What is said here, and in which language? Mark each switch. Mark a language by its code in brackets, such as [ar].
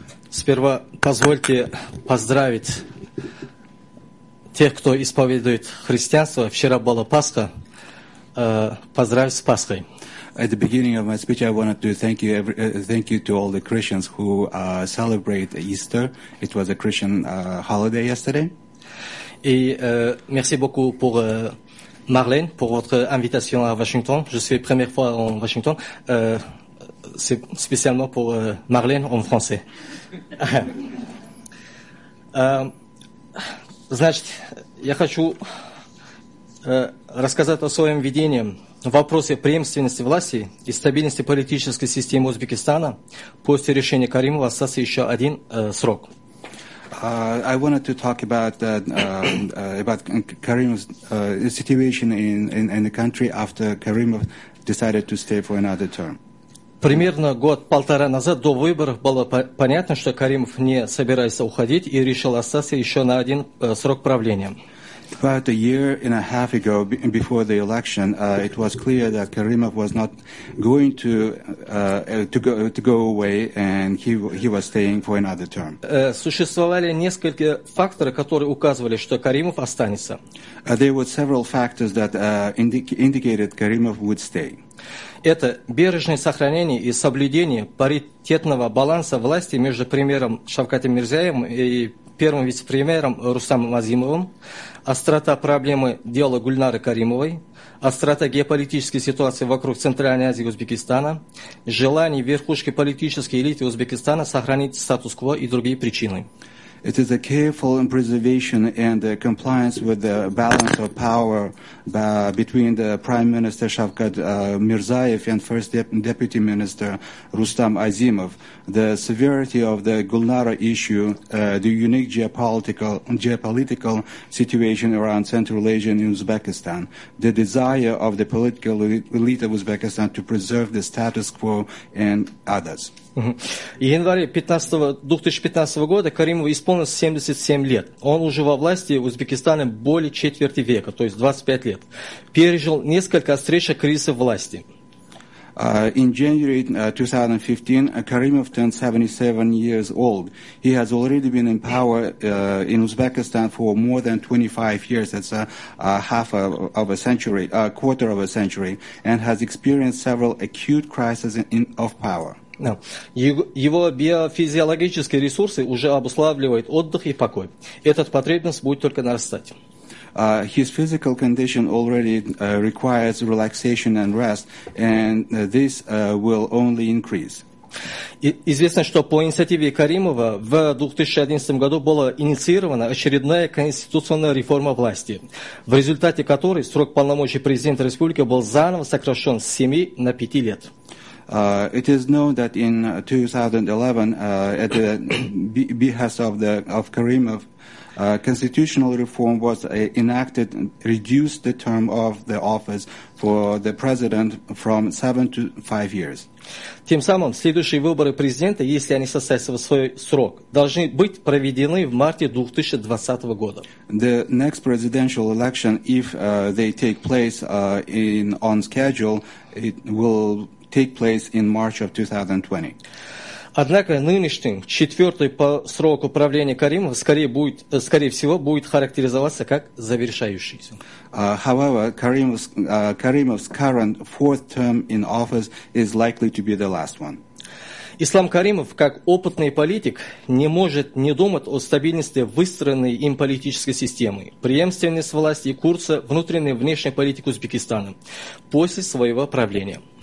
[ru] Сперва позвольте поздравить тех, кто исповедует христианство. Вчера была Пасха. Поздравить с Пасхой. [en] At the beginning of my speech, I wanted to thank you to all the Christians who celebrate Easter. It was a Christian holiday yesterday. [ru] И [fr] merci beaucoup pour Marlène, pour votre invitation à Washington. Je suis la première fois en Washington. C'est spécialement pour Marlène en français. [ru] Значит, я хочу рассказать о своем видении в вопросе преемственности власти и стабильности политической системы Узбекистана после решения Каримова остался еще один срок. [en] I wanted to talk about about Karimov's situation in the country after Karimov decided to stay for another term. [ru] Примерно год-полтора назад до выборов было понятно, что Каримов не собирается уходить и решил остаться еще на один срок правления. [en] About a year and a half ago, before the election, it was clear that Karimov was not going to go away, and he was staying for another term. [ru] Существовали несколько факторов, которые указывали, что Каримов останется. [en] There were several factors that indicated Karimov would stay. [ru] Это бережное сохранение и соблюдение паритетного баланса власти между премьером Шавкатом Мирзиевым и первым вице-премьером Рустамом Азимовым, острота проблемы дела Гульнары Каримовой, острота геополитической ситуации вокруг Центральной Азии и Узбекистана, желание верхушки политической элиты Узбекистана сохранить статус-кво и другие причины. [en] It is a careful preservation and compliance with the balance of power between the Prime Minister Shavkat Mirziyoyev and First Deputy Minister Rustam Azimov. The severity of the Gulnara issue, the unique geopolitical situation around Central Asia and Uzbekistan, the desire of the political elite of Uzbekistan to preserve the status quo and others. [ru] В январе 2015 года Каримову исполнилось 77 лет. Он уже во власти Узбекистана более четверти века, то есть 25 лет. Пережил несколько острейших кризисов власти. [en] In January 2015, Karimov turned 77 years old. He has already been in power in Uzbekistan for more than 25 years. That's quarter of a century, and has experienced several acute crises of power. No. [ru] Его биофизиологические ресурсы уже обуславливают отдых и покой. Эта потребность будет только нарастать. [en] His physical condition already requires relaxation and rest, and this will only increase. [ru] Известно, что по инициативе Каримова в 2011 году была инициирована очередная конституционная реформа власти, в результате которой срок полномочий президента республики был заново сокращен с 7 на 5 лет. [en] It is known that in 2011, at the behest of Karimov, constitutional reform was enacted and reduced the term of the office for the president from 7 to 5 years. [ru] Тем самым следующие выборы президента, если они состоятся в свой срок, должны быть проведены в марте 2020 года. [en] The next presidential election, if they take place on schedule, it will take place in March of 2020. [ru] Однако нынешний, четвертый по сроку правления Каримова, скорее всего будет характеризоваться как завершающийся. [en] However, Каримов's current fourth term in office is likely to be the last one. [ru] Ислам Каримов, как опытный политик, не может не думать о стабильности выстроенной им политической системы, преемственности власти и курса внутренней и внешней политики Узбекистана после своего правления.